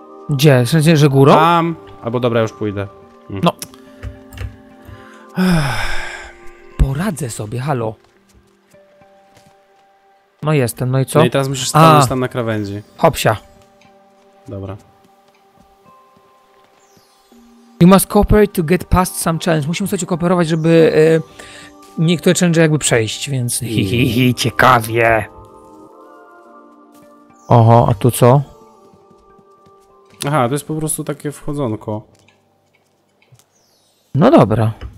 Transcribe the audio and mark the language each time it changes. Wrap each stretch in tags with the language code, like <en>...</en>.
<pl>Gdzie? W sensie, że górą? Tam. Albo dobra, już pójdę. No. Poradzę sobie, halo. No jestem, no i co? No i teraz musisz stanąć tam na krawędzi. Hopsia. Dobra.</pl> <en>You must cooperate to get past some challenge.</en> <pl>Musimy sobie kooperować, żeby niektóre challenge jakby przejść, więc... Hihihi, ciekawie. Oho, a tu co? Aha, to jest po prostu takie wchodzonko. No dobra.</pl>